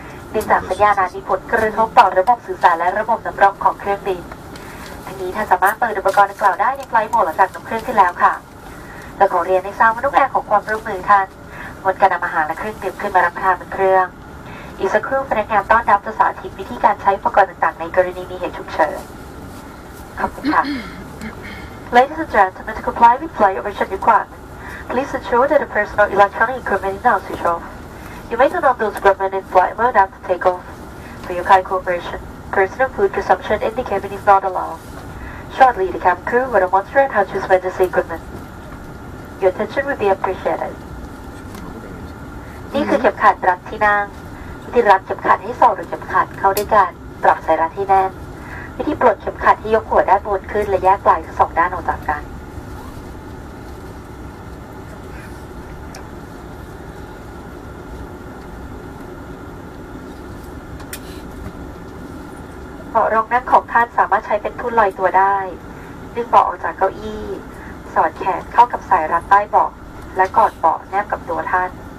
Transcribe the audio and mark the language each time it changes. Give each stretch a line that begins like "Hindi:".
Thai: เนื่องจากสัญญาณมีผลกระทบต่อระบบสื่อสารและระบบสำรองของเครื่องบินทีนี้ท่านสามารถเปิดอุปกรณ์ดังกล่าวได้ในไฟล์โหมดหลังจากนำเครื่องขึ้นแล้วค่ะแล้วขอเรียนให้ทราบว่านกแอร์ของความร่วมมือท่านงดการนำอาหารและเครื่องดื่มขึ้นมารับประทานบนเครื่องอีกสักครู่พนักงานต้อนรับจะสาธิตวิธีการใช้อุปกรณ์ต่างๆในกรณีมีเหตุฉุกเฉินขอบคุณค่ะ
English: Ladies and gentlemen, to comply with flight operation requirements, please ensure that the personal electronic equipment is now switched off. You may turn off those equipment in flight mode after takeoff. For your kind cooperation, personal food consumption in the cabin is not allowed. Shortly, the cabin crew will demonstrate how to spend this equipment. Your attention will be appreciated.
Thai: นี่คือเข็มขัดรัดที่นั่งวิธีรัดเข็มขัดให้สอดหรือเข็มขัดเข้าด้วยกันปรับสายรัดที่แน่นวิธีปลดเข็มขัดที่ยกหัวด้านบนขึ้นและแยกปลายทั้งสองด้านออกจากกันเบาะรองนั่งของท่านสามารถใช้เป็นทุ่นลอยตัวได้ดึงเบาะออกจากเก้าอี้สอดแขนเข้ากับสายรัดใต้เบาะและกอดเบาะแนบกับตัวท่าน